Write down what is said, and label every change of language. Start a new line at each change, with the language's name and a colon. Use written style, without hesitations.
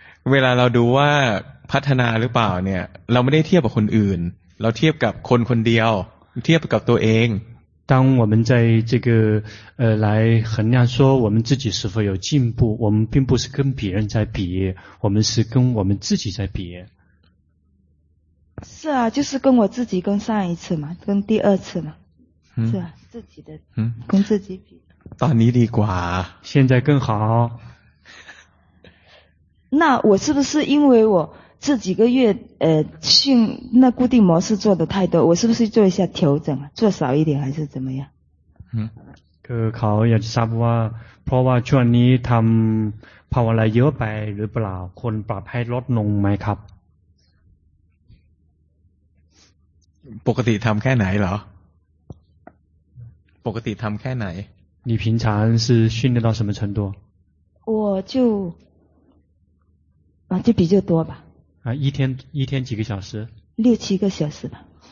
Thai: เวลาเราดูว่าพัฒนาหรือเปล่าเนี่ยเราไม่ได้เทียบกับคนอื่นเราเทียบกับคนคนเดียวเทียบกับตัวเอง
Chinese: 当我们在这个来衡量说我们自己是否有进步我们并不是跟别人在比我们是跟我们自己在比是啊就是跟我自己跟上一次嘛跟第二次嘛是啊自己的跟自己比
Thai: ตอนนี้ดีกว่า
Chinese: 现在更好那我是不是因为我这几个月训那固定模式做的太多我是不是做一下调整做少一点还是怎么样
Thai: 嗯เขาอยากจะทราบว่าเพราะว่าช่วงนี้ทำภาวนาเยอะไปหรือเปล่าคนปรับให้ลดลงไหมครับ ปกติทำแค่ไหนเหรอปกติทำแค่ไหน
Chinese: 你平常是训练到什么程度我就啊就比较多吧啊，一天几个小时？六七个小时吧。